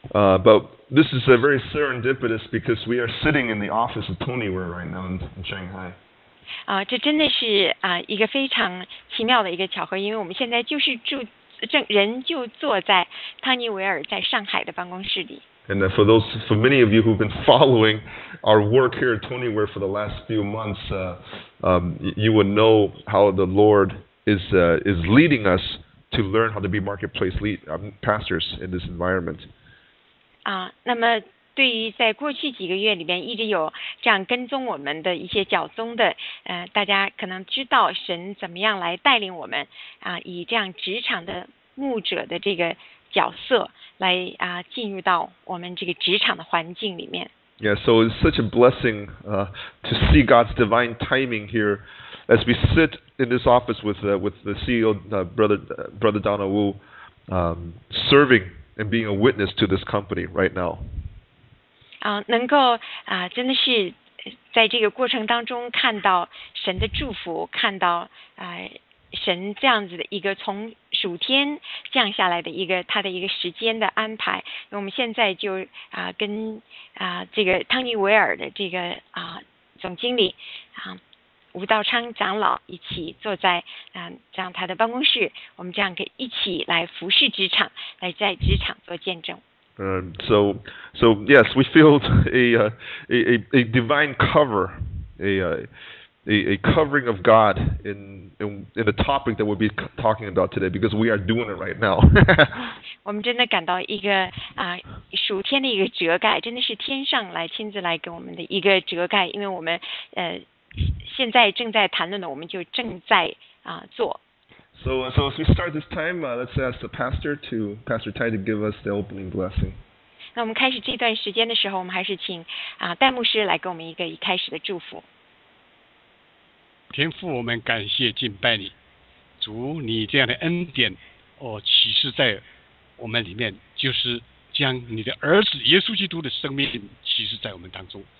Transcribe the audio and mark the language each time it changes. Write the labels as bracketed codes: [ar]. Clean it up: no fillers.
[en] But this is a very serendipitous because we are sitting in the office of Tony Wu right now in Shanghai. [zh] 这真的是一个非常奇妙的一个巧合，因为我们现在就是人就坐在汤尼维尔在上海的办公室里。 [en] And for many of you who've been following our work here at Tony Wu for the last few months, you will know how the Lord is leading us to learn how to be marketplace pastors in this environment. [zh] 那么对于在过去几个月里面一直有这样跟踪我们的一些脚踪的，大家可能知道神怎么样来带领我们以这样职场的牧者的这个角色来进入到我们这个职场的环境里面。 [en] Yeah, so it's such a blessing to see God's divine timing here as we sit in this office with the CEO, Brother Donald Wu, serving and being a witness to this company right now. [zh] 能够真的是在这个过程当中看到神的祝福，看到神这样子的一个从属天降下来的一个他的一个时间的安排。我们现在就跟这个汤尼维尔的这个总经理吴道昌长老一起坐在这样他的办公室，我们这样可以一起来服侍职场，来在职场做见证。 [en] So yes, we feel a divine cover, a covering of God in the topic that we'll be talking about today because we are doing it right now. [zh] 我们真的感到一个属天的一个遮盖，真的是天上来亲自来给我们的一个遮盖，因为我们现在正在谈论的，我们就正在做。 [en] So as we start this time, let's ask the pastor Tai to give us the opening blessing. [zh] 那我们开始这段时间的时候，我们还是请戴牧师来给我们一个一开始的祝福。天父，我们感谢敬拜你，主，你这样的恩典启示在我们里面，就是将你的儿子耶稣基督的生命启示在我们当中。